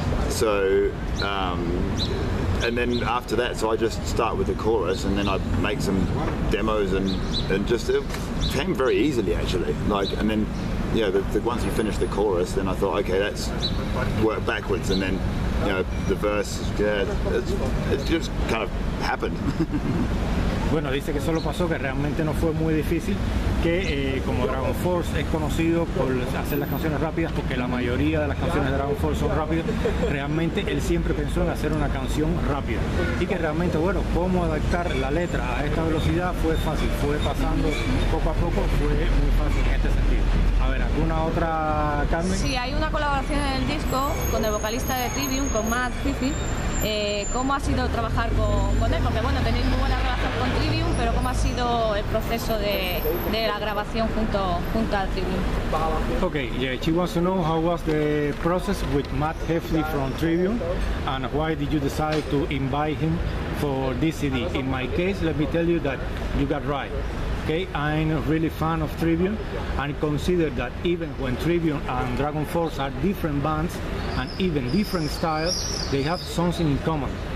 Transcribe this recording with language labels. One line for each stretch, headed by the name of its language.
English: So, and then after that, so I just start with the chorus and then I make some demos and just, it came very easily actually. Like, and then, you know, once you finish the chorus, then I thought, okay, that's work backwards. And then, you know, the verse, yeah, it just kind of happened.
Spanish: Bueno, dice que solo pasó, que realmente no fue muy difícil, que como Dragon Force es conocido por hacer las canciones rápidas, porque la mayoría de las canciones de Dragon Force son rápidas, realmente él siempre pensó en hacer una canción rápida. Y que realmente, bueno, cómo adaptar la letra a esta velocidad fue fácil, fue pasando poco a poco, fue muy fácil en este sentido. A ver, ¿alguna otra, Carmen? Sí, hay una colaboración en el disco con el vocalista de Trivium, con Matt Fifi. ¿Cómo ha sido trabajar con él? Porque bueno, tenéis muy buena relación con Trivium, pero ¿cómo ha sido el proceso de la grabación junto a Trivium?
English: Okay, yeah, she wants to know how was the process with Matt Heffley from Trivium and why did you decide to invite him for this CD. In my case, let me tell you that you got right. Okay, I'm really fan of Trivium and consider that even when Trivium and Dragon Force are different bands and even different styles, they have something in common.